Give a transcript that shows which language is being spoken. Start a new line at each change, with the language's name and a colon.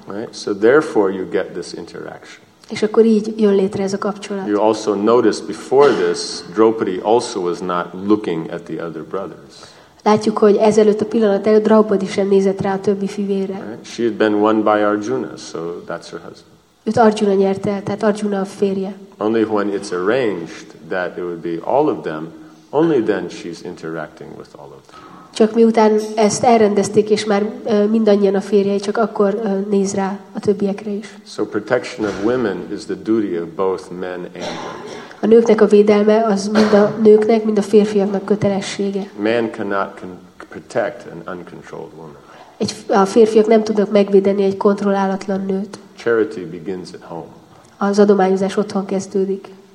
English: Right? So therefore you get this interaction.
Hungarian: És akkor így jön létre ez a kapcsolat.
English: You also notice before this, Draupadi also was not looking at the other brothers.
Hungarian: Látjuk, hogy ezelőtt a pillanat előtt Draupadi sem nézett rá a többi fivére.
English: Right? She had been won by Arjuna, so that's her husband.
Hungarian: Őt Arjuna nyerte, tehát Arjuna a férje.
English: Only when it's arranged that it would be all of them, only then she's interacting with all of them.
Hungarian: Csak miután ezt elrendezték, és már mindannyian a férje, csak akkor néz rá a többiekre is.
English: So protection of women is the duty of both men and women.
Hungarian: A nőknek a védelme az mind a nőknek, mind a férfiaknak kötelessége.
English: Man cannot protect an uncontrolled woman.
Hungarian: A férfiak nem tudnak megvédeni egy kontrollálatlan nőt.
English: Charity begins at home.
Hungarian: Az adományozás otthon kezdődik.